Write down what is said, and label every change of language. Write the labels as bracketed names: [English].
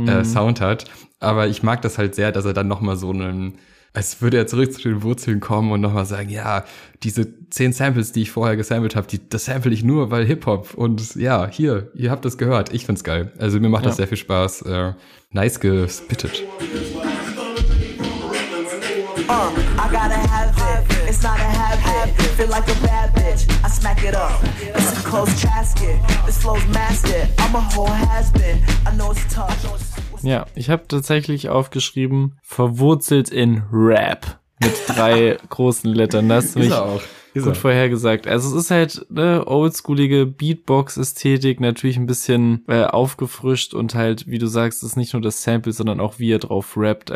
[German] Sound hat, aber ich mag das halt sehr, dass er dann nochmal so einen, als würde er zurück zu den Wurzeln kommen und nochmal sagen, ja, diese 10 Samples, die ich vorher gesampelt habe, das sample ich nur, weil Hip-Hop und ja, hier, ihr habt das gehört, ich find's geil, also mir macht das sehr viel Spaß, nice gespittet. [English] I gotta have it, it's not a have, feel like a bad bitch, I smack it up, it's a closed casket, this flow's mastered, I'm a whole has-been, I know it's tough. [German] Ja, ich habe tatsächlich aufgeschrieben, verwurzelt in Rap, mit drei großen Lettern. Das ist mich auch gut vorhergesagt. Also es ist halt eine oldschoolige Beatbox-Ästhetik, natürlich ein bisschen aufgefrischt und halt, wie du sagst, ist nicht nur das Sample, sondern auch wie er drauf rappt.